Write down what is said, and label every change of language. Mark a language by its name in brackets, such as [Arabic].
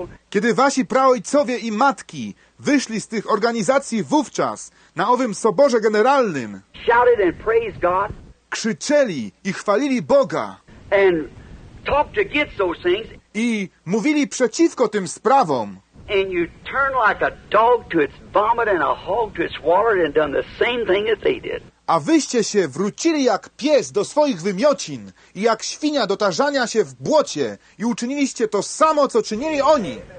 [Polish] Kiedy wasi praojcowie i matki wyszli z tych organizacji wówczas, na owym Soborze Generalnym, [English] shouted and praised God, [Polish] krzyczeli i chwalili Boga [English] and talked against those things, [Polish] i mówili przeciwko tym sprawom, [English] and you turn like a dog to its vomit and a hog to its water and done the same thing as they did. [Polish] A wyście się wrócili jak pies do swoich wymiocin i jak świnia do tarzania się w błocie i uczyniliście to samo, co czynili oni.